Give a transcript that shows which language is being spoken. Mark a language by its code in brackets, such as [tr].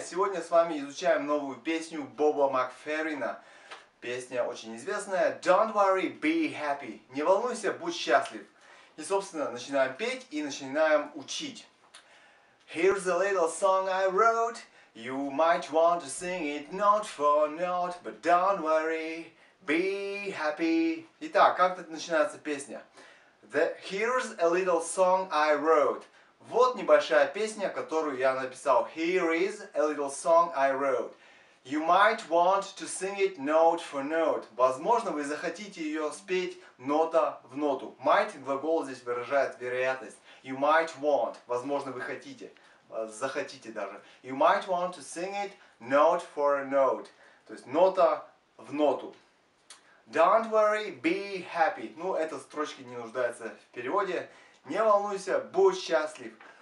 [ru] Сегодня с вами изучаем новую песню Боба Макферрина. Песня очень известная. [en] Don't worry, be happy. [ru] Не волнуйся, будь счастлив. И, собственно, начинаем петь и начинаем учить. [en] Here's a little song I wrote. You might want to sing it note for note, but don't worry, be happy. [ru] Итак, как тут начинается песня? [en] Here's a little song I wrote. [ru] Вот небольшая песня, которую я написал. [en] Here is a little song I wrote. You might want to sing it note for note. [ru] Возможно, вы захотите ее спеть нота в ноту. Might – глагол здесь выражает вероятность. [en] You might want. [ru] Возможно, вы хотите. Захотите даже. [en] You might want to sing it note for note. [ru] То есть нота в ноту. [en] Don't worry, be happy. [ru] Ну, эта строчка не нуждается в переводе. Не волнуйся, будь счастлив.